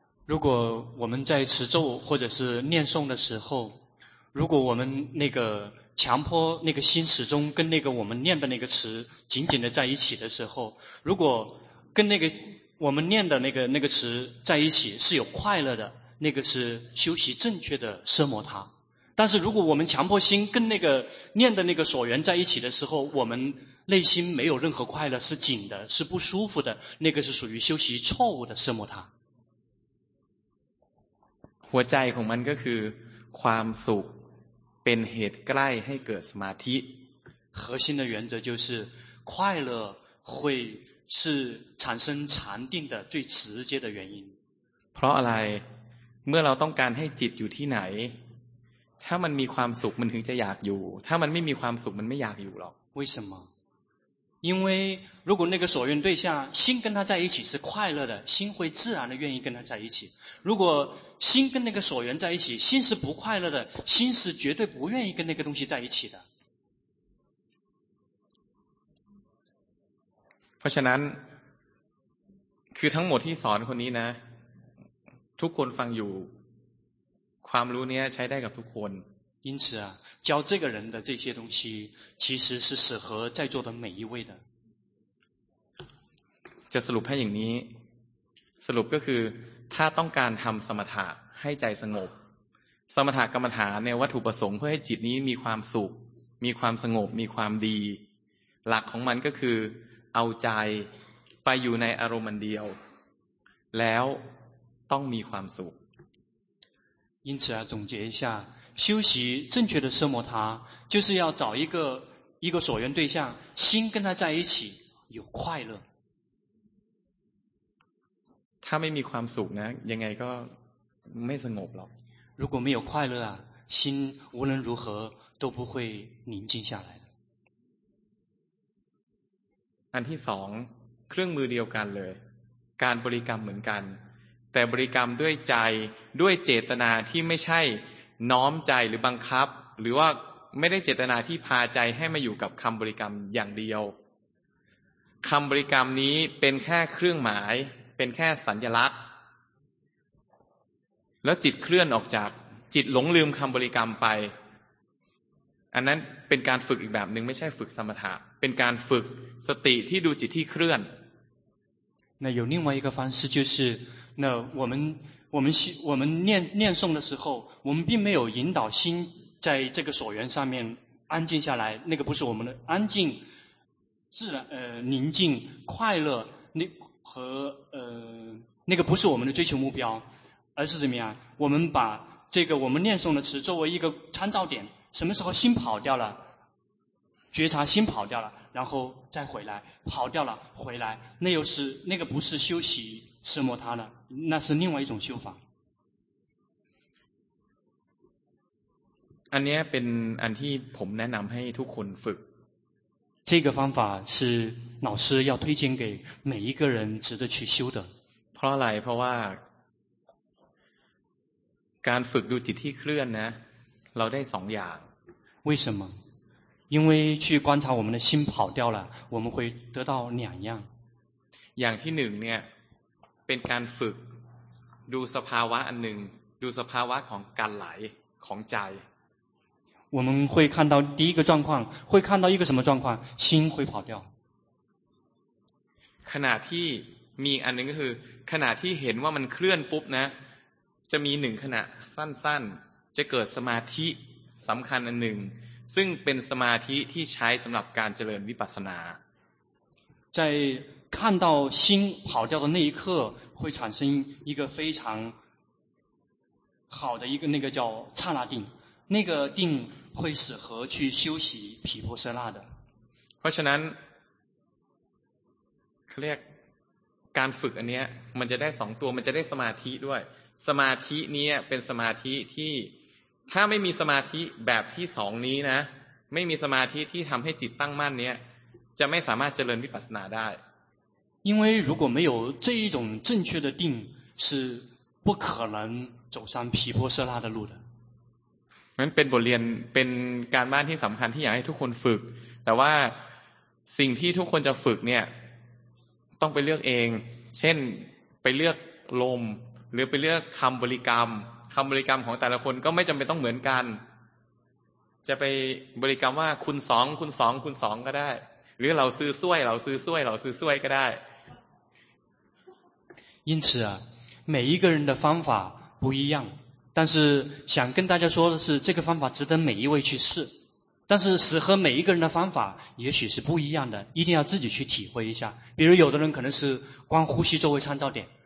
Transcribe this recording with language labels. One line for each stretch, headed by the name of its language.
Chinese: 如果我们在持咒或者是念诵的时候如果我们那个强迫那个心始终跟那个我们念的那个词紧紧的在一起的时候如果跟那个我们念的那个词在一起是有快乐的那个是修习正确的奢摩他但是如果我们强迫心跟那个念的那个所缘在一起的时候我们内心没有任何快乐是紧的是不舒服的那个是属于修习错误的奢摩他
Thai: หัวใจของมันก็คือความสุขเป็นเหตุใกล้ให้เกิดสมาธิ
Chinese: 核心的原则就是快乐会是产生禅定的最直接的原因
Thai: เพราะอะไรเมื่อเราต้องการให้จิตอยู่ที่ไหนถ้ามันมีความสุขมันถึงจะอยากอยู่ถ้ามันไม่มีความสุขมันไม่อยากอยู่หรอก
Chinese: 为什么因为如果那个所愿对象心跟他在一起是快乐的心会自然的愿意跟他在一起如果心跟那个所愿在一起心是不快乐的心是绝对不愿意跟那个东西在一起的
Thai: เพราะฉะนั้นคือทั้งหมดที่สอนคนนี้นะทุกคนฟังอยู่ความรู้นี้ใช้ได้กับทุกคน
Chinese: 因此啊教这个人的这些东西其实是适合在座的每一位的
Thai: จะสรุปให้อย่างนี้สรุปก็คือถ้าต้องการทำสมถะให้ใจสงบสมถะกรรมฐานในวัตถุประสงค์เพื่อให้จิตนี้มีความสุขมีความสงบมีความดีหลักของมันก็คือเอาใจไปอยู่ในอารมณ์เดียวแล้วต้องมีความสุข
Chinese: 因此啊总结一下修习正确的奢摩他就是要找一个所缘对象心跟他在一起有快乐他没有
Thai: ความสุขนะยังไงก็ไม่สงบหรอก
Chinese: 如果没有快乐啊心无论如何都不会宁静下来
Thai: อันที่สองเครื่องมือเดียวกันเลยการบริกรรมเหมือนกันแต่บริกรรมด้วยใจด้วยเจตนาที่ไม่ใช่น้อมใจหรือบังคับหรือว่าไม่ได้เจตนาที่พาใจให้มาอยู่กับคำบริกรรมอย่างเดียวคำบริกรรมนี้เป็นแค่เครื่องหมายเป็นแค่สัญลักษณ์ แล้วจิตเคลื่อนออกจากจิตหลงลืมคำบริกรรมไปอันนั้นเป็นการฝึกอีกแบบนึงไม่ใช่ฝึกสมถะเป็นการฝึกสติที่ดูจิตที่เคลื่อน
Chinese: 那有另外一个方式就是那我们念诵的时候我们并没有引导心在这个所缘上面安静下来那个不是我们的安静自然宁静快乐那和那个不是我们的追求目标而是怎么样我们把这个我们念诵的词作为一个参照点什么时候心跑掉了觉察心跑掉了然后再回来跑掉了回来那又是那个不是修习奢摩他的那是另外一种修法
Thai: อันนี้เป็นอันที่ผมแนะนำให้ทุกคนฝึก
Chinese: 这个方法是老师要推荐给每一个人值得去修的
Thai: เพราะอะไรเพราะว่าการฝึกดูจิตที่เคลื่อนนะเราได้สองอย่าง
Chinese: 为什么因为去观察我们的心跑掉了我们会得到两样
Thai: อย่างที่หนึ่งเนี่ยเป็นการฝึก ดูสภาวะอันหนึ่งดูสภาวะของการไหลของใจ
Chinese: 我们会看到第一个状况会看到一个什么状况心会跑掉
Thai: ขณะที่มีอันหนึ่งก็คือขณะที่เห็นว่ามันเคลื่อนปุ๊บนะจะมีหนึ่งขณะสั้นๆจะเกิดสมาธิสำคัญอันหนึ่งซึ่งเป็นสมาธิที่ใช้สำหรับการเจริญวิปัสสนา
Chinese: 在看到心跑掉的那一刻会产生一个非常好的一个那个叫刹那定那个定会适合去修习毗婆舍那的
Thai: เพราะฉะนั้นเขาเรียกการฝึกอันนี้มันจะได้สองตัวมันจะได้สมาธิด้วยสมาธินี้เป็นสมาธิที่ถ้าไม่มีสมาธิแบบที่สองนี้นะไม่มีสมาธิที่ทำให้จิตตั้งมั่นเนี้ยจะไม่สามารถเจริญวิปัสสนาได้
Chinese: 因为如果没有这一种正确的定是不可能走上毗婆舍那的路的
Thai: นั้นเป็นบทเรียนเป็นการบ้านที่สำคัญที่อยากให้ทุกคนฝึกแต่ว่าสิ่งที่ทุกคนจะฝึกเนี่ยต้องไปเลือกเองเช่นไปเลือกลมหรือไปเลือกคำบริกรรมคำบริกรรมของแต่ละคนก็ไม่จำเป็นต้องเหมือนกันจะไปบริกรรมว่าคุณสองคุณสองคุณสองก็ได้หรือเราซื้อซ่วยเราซื้อซ่วยเราซื้อซ่วยก็ได้
Chinese: 因此啊每一个人的方法不一样但是想跟大家说的是这个方法值得每一位去试但是适合每一个人的方法也许是不一样的一定要自己去体会一下比如有的人可能是光呼吸作为参照点